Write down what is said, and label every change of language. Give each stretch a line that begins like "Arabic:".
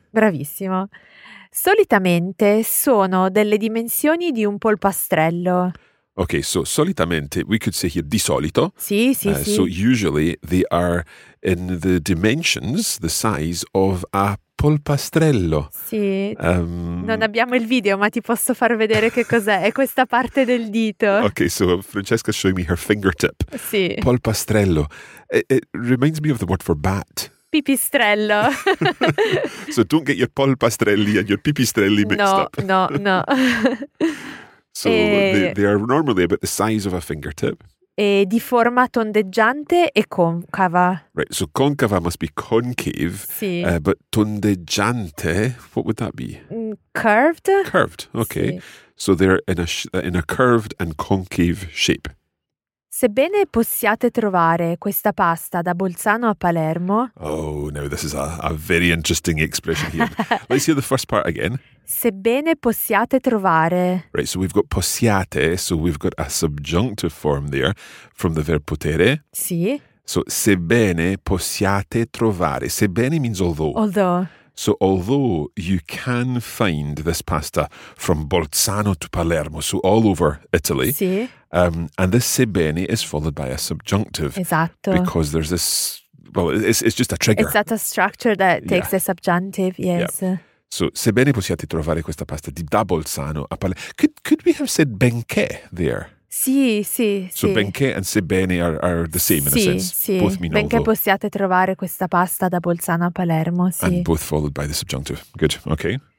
Italian: Bravissimo. Solitamente sono delle dimensioni di un polpastrello.
English: Ok, so solitamente, we could say here,
Italian: di solito. Sì, sì, sì.
English: So usually they are in the dimensions, the size of a polpastrello.
Italian: Sì, non abbiamo il video, ma ti posso far vedere che cos'è. È questa parte del dito.
English: Ok, so Francesca showing me her fingertip.
Italian: Sì.
English: Polpastrello. It reminds me of the word for bat.
Italian: Pipistrello.
English: So don't get your polpastrelli and your pipistrelli mixed no, up. No, no, no. So they are normally about the size of a fingertip.
Italian: E di forma tondeggiante e concava.
English: Right, so concava must be concave,
Italian: sì.
English: But tondeggiante, what would that be? Curved. Curved, okay. Sì. So they're in a curved and concave shape.
Italian: Sebbene possiate trovare questa pasta da Bolzano a Palermo.
English: Oh, now this is a very interesting expression here. Let's hear the first part again.
Italian: Sebbene possiate trovare.
English: Right, so we've got possiate, so we've got a subjunctive form there from the verb potere.
Italian: Sì.
English: So
Italian: sebbene possiate trovare.
English: Sebbene means although. Although. So although you can find this pasta from Bolzano to Palermo, so all over Italy.
Italian: Sì.
English: And this sebbene is followed by a subjunctive.
Italian: Esatto.
English: Because there's this, well, it's just a trigger. It's that a structure that takes the subjunctive, yes. Yeah.
Italian: So, sebbene possiate trovare questa pasta di da Bolzano a Palermo.
English: Could we have said benché there?
Italian: Sì, sì,
English: so,
Italian: sì.
English: Benché and sebbene are the same in
Italian: sì,
English: a sense.
Italian: Sì,
English: both mean
Italian: benché
English: although.
Italian: Possiate trovare questa pasta da Bolzano a Palermo, sì.
English: And both followed by the subjunctive. Good, okay.